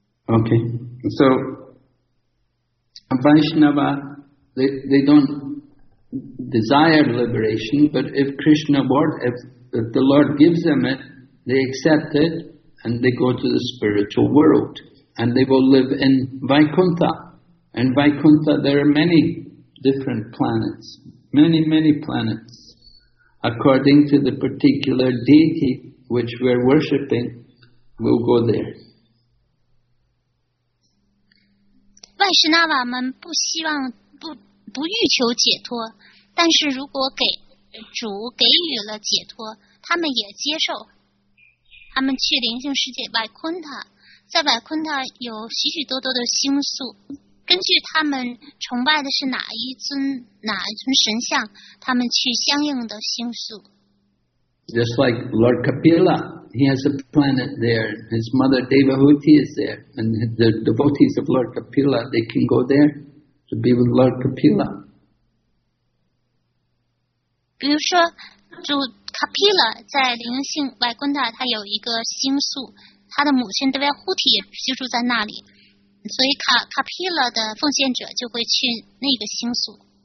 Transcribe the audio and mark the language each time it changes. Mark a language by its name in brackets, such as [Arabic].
[English] Okay, so Vaishnava, they don't desire liberation, but if Krishna wants, if the Lord gives them it, they accept it and they go to the spiritual world and they will live in Vaikuntha. In Vaikuntha, there are many different planets, many, many planets. According to the particular deity which we're worshipping, we'll go there. [Chinese] 外士那瓦们不希望 不欲求解脱，但是如果给主给予了解脱，他们也接受。他们去灵性世界瓦昆塔，在瓦昆塔有许许多多的星宿，根据他们崇拜的是哪一尊哪一尊神像，他们去相应的星宿。 [English] Just like Lord Kapila, he has a planet there. His mother Devahuti is there, and the devotees of Lord Kapila, they can go there to be with Lord Kapila. [Chinese] 比如说，主 Kapila 在灵性外昆塔，他有一个星宿，他的母亲 Devahuti 也居住在那里，所以Kapila 的奉献者就会去那个星宿。